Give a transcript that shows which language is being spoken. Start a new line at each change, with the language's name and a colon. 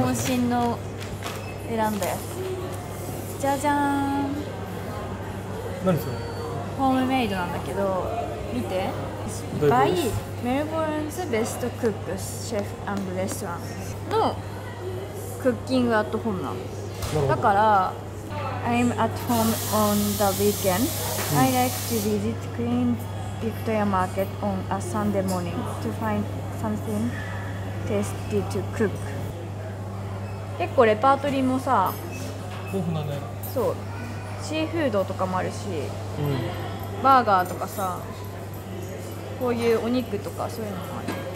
Japanese: 本心の選んだやつ、じゃじゃーん。何それ？ホームメイドなんだけど、見て、バイメルボルンズベストクックスシェフ&レストランのクッキングアットホームなの。
English: だから I'm at home on the weekend、うん、I like to visit Queen Victoria Market on a Sunday morning to find something tasty to cook。
Japanese: 結構レパートリーもさ豊富だね。そう、シーフードとかもあるし、うん、バーガーとかさ、こういうお肉とかそういうのもある。